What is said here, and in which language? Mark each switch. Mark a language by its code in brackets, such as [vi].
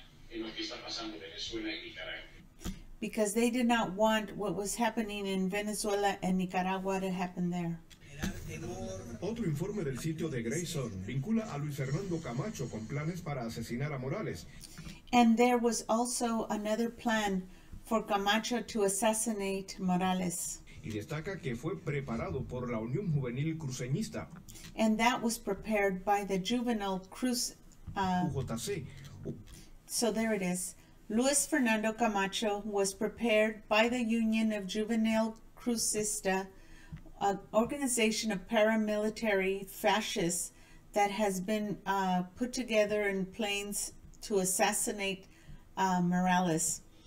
[es] en lo que está pasando Venezuela y Nicaragua. [en] Because they did not want what was happening in Venezuela and Nicaragua to happen there. [es] Otro informe del sitio de Grayson vincula a Luis Hernando Camacho con planes para asesinar a Morales. [en] And there was also another plan for Camacho to assassinate Morales. [es] Y destaca que fue preparado por la Unión Juvenil Cruceñista. [en] And that was prepared by the Juvenile Cruz... UJC. So there it is. Luis Fernando Camacho was prepared by the Union of Juvenile Cruzista, an organization of paramilitary fascists that has been put together in planes to assassinate Morales.